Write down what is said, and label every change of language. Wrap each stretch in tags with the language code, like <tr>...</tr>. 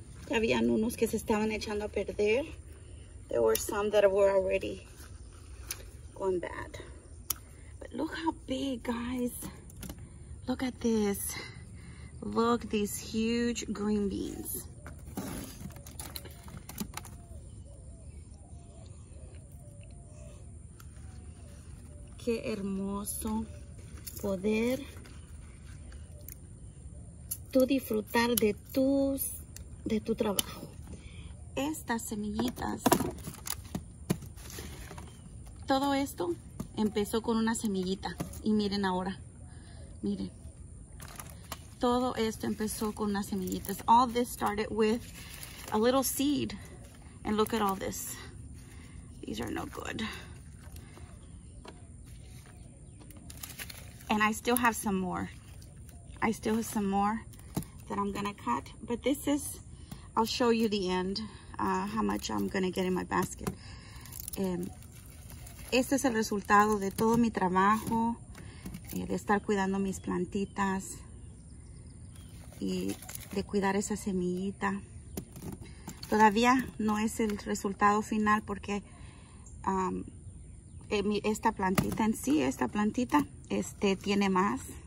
<es>Habían unos que se estaban echando a perder.</es> <en>There were some that were already gone bad. But look how big, guys. Look at this. Look, these huge green beans.</en> <es>Qué hermoso poder tú disfrutar de tu trabajo. Estas semillitas, todo esto empezó con una semillita y miren ahora, miren, todo esto empezó con una semillita.</es> <en>All this started with a little seed and look at all this. These are no good. And I still have some more. I still have some more that I'm gonna cut. But this is, I'll show you the end, how much I'm gonna get in my basket.</en> <es>Este es el resultado de todo mi trabajo, de estar cuidando mis plantitas y de cuidar esa semillita. Todavía no es el resultado final porque esta plantita en sí, esta plantita, tiene más.</es>